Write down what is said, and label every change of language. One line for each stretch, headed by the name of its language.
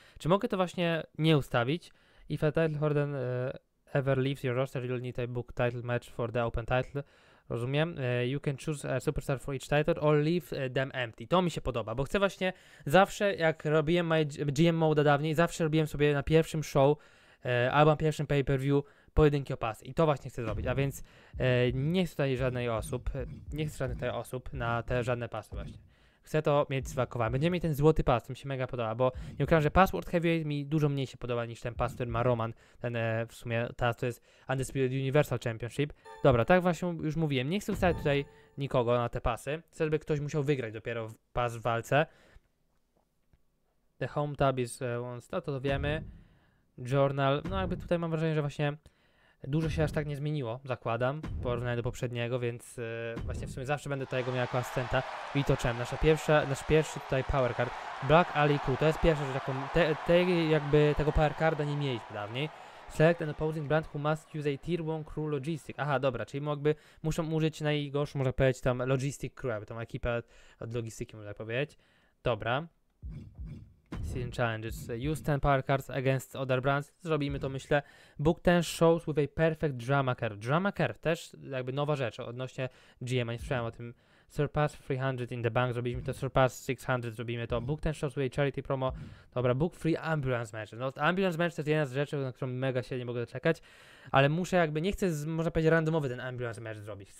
Polish: Czy mogę to właśnie nie ustawić?
English: If a title holder ever leaves your roster, you'll need a book title match for the open title. Rozumiem. You can choose a superstar for each title or leave them empty.
Polish: To mi się podoba, bo chcę właśnie zawsze, jak robiłem my GM mode dawniej, zawsze robiłem sobie na pierwszym show albo na pierwszym pay-per-view pojedynki o pas. I to właśnie chcę zrobić. A więc nie chcę tutaj żadnej osób, nie chcę żadnych tutaj osób na te żadne pasy właśnie. Chcę to mieć zwakowane. Będziemy mieć ten złoty pas, to mi się mega podoba, bo nie ukrywam, że pas World Heavyweight mi dużo mniej się podoba niż ten pas, który ma Roman, ten w sumie teraz to jest Undisputed Universal Championship. Dobra, tak właśnie już mówiłem, nie chcę wstawiać tutaj nikogo na te pasy, chcę, żeby ktoś musiał wygrać dopiero pas w walce.
English: The Home Tab is once,
Polish: no to wiemy. Journal, no jakby tutaj mam wrażenie, że właśnie dużo się aż tak nie zmieniło, zakładam, porównując do poprzedniego, więc właśnie w sumie zawsze będę tutaj go miał jako asystenta. I to czem? Nasz pierwszy tutaj power card. Black Ali Crew, to jest pierwsza rzecz, jakby tego power carda nie mieliśmy dawniej.
English: Select an opposing brand who must use a tier 1 crew logistic.
Polish: Aha, dobra, czyli mogłyby, muszą użyć najgorszą, można powiedzieć, tam logistic crew, aby tą ekipę od logistyki, można powiedzieć.
English: Dobra. Season challenges. Use 10 power cards against other brands.
Polish: Zrobimy to, myślę.
English: Book 10 shows with a perfect drama curve.
Polish: Drama curve też jakby nowa rzecz odnośnie GM. Nie słyszałem o tym.
English: Surpass 300 in the bank.
Polish: Zrobiliśmy to.
English: Surpass 600.
Polish: Zrobimy to.
English: Book 10 shows with a charity promo. Dobra. Book 3 ambulance matches.
Polish: No, ambulance match to jest jedna z rzeczy, na którą mega się nie mogę doczekać. Ale muszę jakby, nie chcę, można powiedzieć, randomowy ten ambulance match zrobić.